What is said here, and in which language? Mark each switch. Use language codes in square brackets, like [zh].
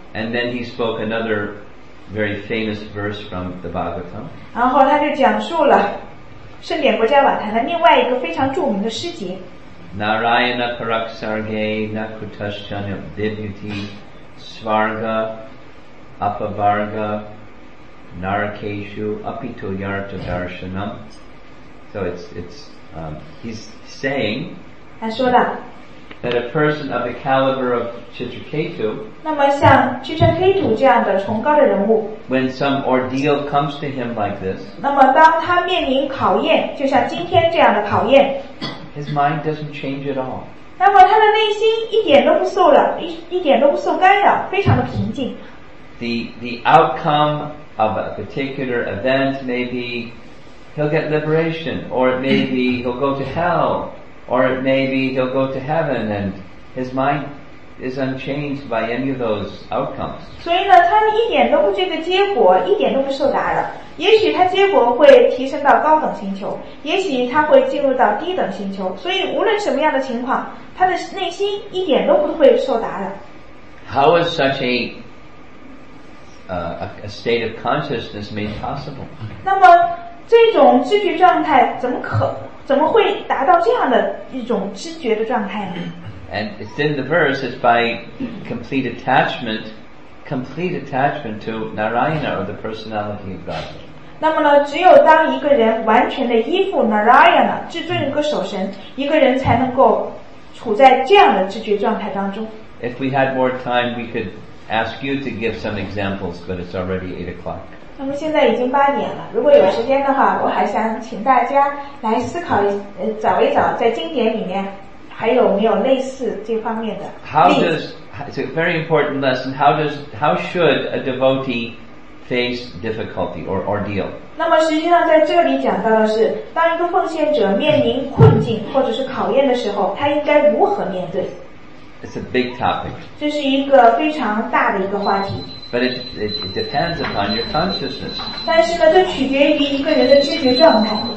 [en] And then he spoke another very famous verse from the Bhagavatam. [zh] 然后他就讲述了圣典国家瓦坛的另外一个非常著名的诗节。 [sa] Narayana Paraksarge Nakutashchanya Vibhuti Svarga Apavarga Narakeshu Apito Yarta Darshanam. [en] So he's saying, [zh] 他说了, [en] that a person of the caliber of Chitraketu, [zh] 那么像 Chitraketu 这样的崇高的人物, [en] when some ordeal comes to him like this, [zh] 那么当他面临考验,就像今天这样的考验, [en] his mind doesn't change at all. [zh] 那么他的内心一点都不受了,一点都不受干扰,非常的平静。 [en] The outcome of a particular event may be he'll get liberation, or it may be he'll go to hell, or it may be he'll go to heaven, and his mind is unchanged by any of those outcomes. [zh] 所以呢，他一点都不这个结果一点都不受打扰。也许他结果会提升到高等星球，也许他会进入到低等星球。所以无论什么样的情况，他的内心一点都不会受打扰。 [en] How is such a state of consciousness made possible? [zh] 那么这种知觉状态怎么会达到这样的一种知觉的状态呢? [en] And it's in the verse, it's by complete attachment to Narayana, or the personality of God. [zh] 那么呢，只有当一个人完全的依附 Narayana, 至尊一个守神，一个人才能够处在这样的知觉状态当中。 [en] If we had more time, we could ask you to give some examples, but it's already 8 o'clock. [zh] 那么现在已经八点了，如果有时间的话，我还想请大家来思考找一找在经典里面还有没有类似这方面的例子。 [en] It's a very important lesson. How should a devotee face difficulty or ordeal? [zh] 那么实际上在这里讲到的是，当一个奉献者面临困境或者是考验的时候，他应该如何面对？ [en] It's a big topic. [zh] 这是一个非常大的一个话题。 [en] But it depends upon your consciousness. [zh] 但是呢，这取决于一个人的知觉状态。